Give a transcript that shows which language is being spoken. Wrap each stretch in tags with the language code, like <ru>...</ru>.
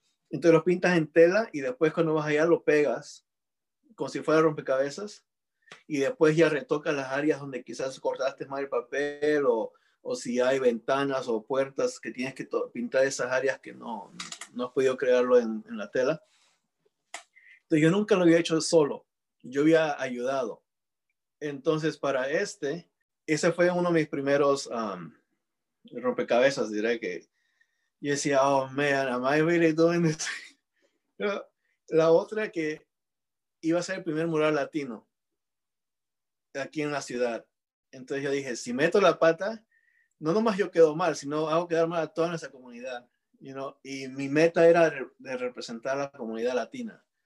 <es>Entonces lo pintas en tela y después cuando vas allá lo pegas como si fuera rompecabezas y después ya retocas las áreas donde quizás cortaste mal el papel o si hay ventanas o puertas que tienes que pintar esas áreas que no has podido crearlo en la tela. Entonces yo nunca lo había hecho solo. Yo había ayudado. Entonces, para ese fue uno de mis primeros rompecabezas, diré que. Yo decía,</es> <en>oh, man, am I really doing this?</en> <es>La otra que iba a ser el primer mural latino aquí en la ciudad. Entonces yo dije, si meto la pata, no nomás yo quedo mal, sino hago quedar mal a toda nuestra comunidad.</es> <en>You know?</en> <es>Y mi meta era de representar a la comunidad latina.</es>